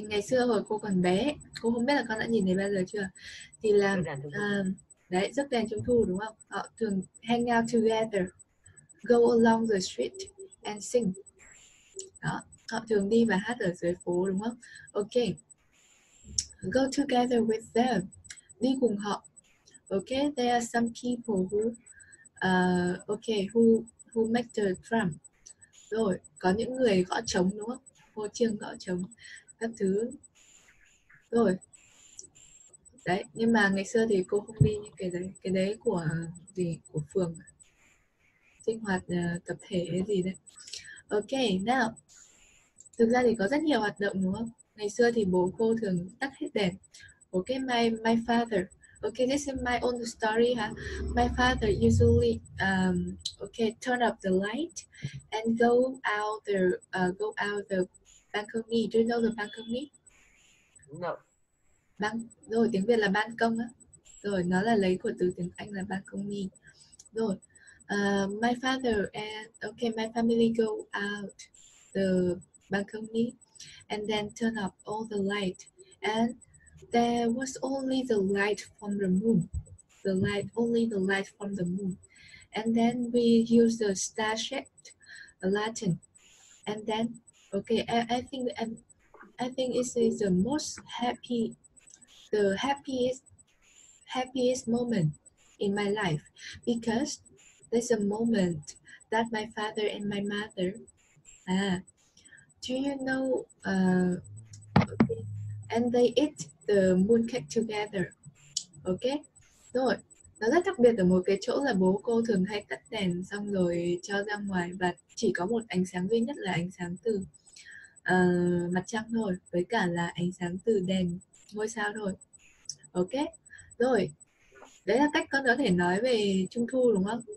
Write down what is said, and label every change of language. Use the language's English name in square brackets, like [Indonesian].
[Vietnamese] Ngày xưa hồi cô còn bé, cô không biết là con đã nhìn thấy bao giờ chưa? Thì là đấy, rước đèn Trung Thu đúng không? Họ thường [English] hang out together, go along the street and sing. [Vietnamese] Đó, họ thường đi và hát ở dưới phố đúng không? [English] Ok. Go together with them. [Vietnamese] Đi cùng họ. [English] Ok, there are some people who who make the drum. [Vietnamese] Rồi, có những người gõ trống đúng không? Hô chiêng gõ trống các thứ. Rồi. Đấy, nhưng mà ngày xưa thì cô không đi những cái đấy. Cái đấy của gì? Của phường. Sinh hoạt tập thể hay gì đấy. Ok, now. Thực ra thì có rất nhiều hoạt động đúng không? Ngày xưa thì bố cô thường tắt hết đèn. [English] Ok, my father. Ok, this is my own story, huh? My father usually turn up the light and go out the balcony. Do you know the balcony? No. [Vietnamese] Rồi, tiếng Việt là ban công á. Rồi, nó là lấy của từ tiếng Anh là ban công nhìn. [English] Rồi, my father and okay, my family go out the balcony and then turn up all the light. And there was only the light from the moon. The light, only the light from the moon. And then we use the star-shaped lantern. And then, okay, I think this is the most happy, the happiest moment in my life, because there's a moment that my father and my mother, and they eat the mooncake together, okay? [Vietnamese] Rồi, nó rất đặc biệt ở một cái chỗ là bố cô thường hay tắt đèn xong rồi cho ra ngoài và chỉ có một ánh sáng duy nhất là ánh sáng từ mặt trăng thôi, với cả là ánh sáng từ đèn ngôi sao thôi. Ok, rồi, đấy là cách con có thể nói về Trung Thu đúng không?